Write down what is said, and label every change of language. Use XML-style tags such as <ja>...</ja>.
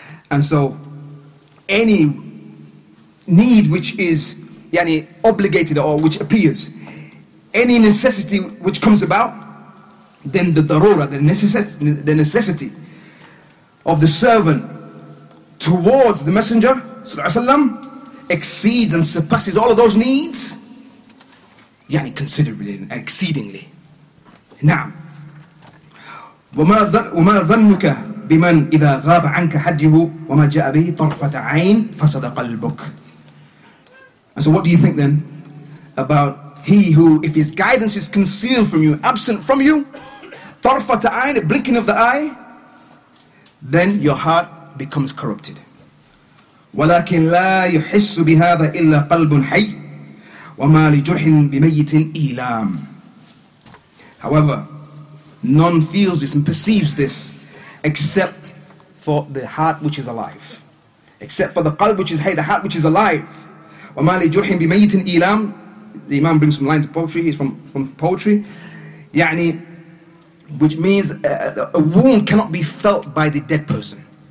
<en>And so, any need which is yani obligated or which appears, any necessity which comes about, then the darura, the necessity of the servant towards the Messenger</en> <ar>صلى الله عليه وسلم</ar> <en>exceeds and surpasses all of those needs yani considerably, exceedingly. Naam.</en> <ar>وما ظنك بمن إذا غاب عنك حده وما جاء به طرفة عين فسد قلبك.</ar> <en>And so what do you think then about he who, if his guidance is concealed from you, absent from you,</en> <ar>طرفة عين,</ar> <en>a blinking of the eye, then your heart becomes corrupted.</en> <ar>ولكن لا يحس بهذا إلا قلب حي وما لجرح بميت إيلام.</ar> <en>However, none feels this and perceives this except for the heart which is alive. Except for the qalb which is hay, the heart which is alive.</en> <ar>وَمَا لِجُرْحٍ بِمَيِّتٍ إِيلَامٍ.</ar> <en>The imam brings some lines of poetry, he's from poetry. يعني, which means a wound cannot be felt by the dead person.</en>